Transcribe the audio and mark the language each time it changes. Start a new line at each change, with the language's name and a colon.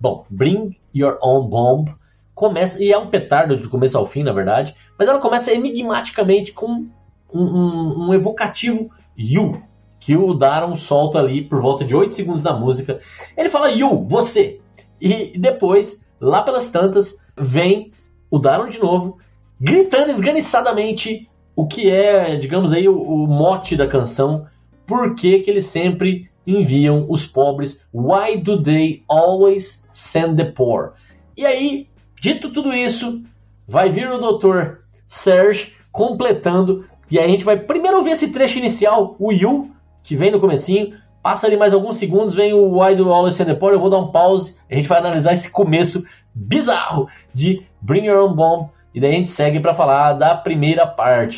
Portuguese: Bring Your Own Bomb começa, e é um petardo de começo ao fim, na verdade, mas ela começa enigmaticamente com um evocativo You, que o Daron solta ali por volta de 8 segundos da música. Ele fala You, você. E depois, lá pelas tantas, vem o Daron de novo, gritando esganiçadamente o que é, digamos aí, o mote da canção. Por que que eles sempre enviam os pobres?
English: Why do they always send the poor?
Portuguese: E aí, dito tudo isso, vai vir o Dr. Serge completando, e aí a gente vai primeiro ouvir esse trecho inicial, o You, que vem no comecinho, passa ali mais alguns segundos, vem o
English: Why Do All Send the Poor,
Portuguese: eu vou dar um pause, a gente vai analisar esse começo bizarro de Bring Your Own Bomb, e daí a gente segue para falar da primeira parte.